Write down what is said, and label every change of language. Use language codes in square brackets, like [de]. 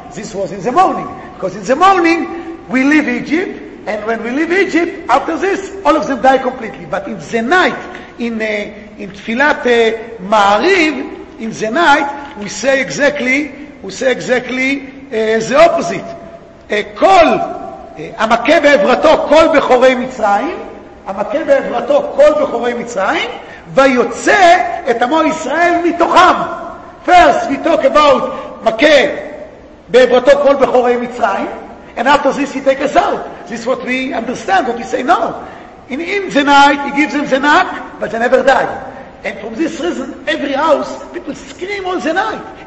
[en] This was in the morning, because in the morning we leave Egypt, and when we leave Egypt, after this, all of them die completely. But in the night, in Tfilat Ma'ariv, in the night, we say exactly the opposite. [he] Kol, המכה בעברתו כל בכורי מצרים, המכה בעברתו כל בכורי מצרים, ויוצא את עמו ישראל מתוכם. [en] First, we talk about [he] מכה בעברתו כל בכורי מצרים, [en] and after this he take us out. This is what we understand, what we say, no. In the night, he gives them the knock, but they never die. And from this reason, every house, people scream all the night.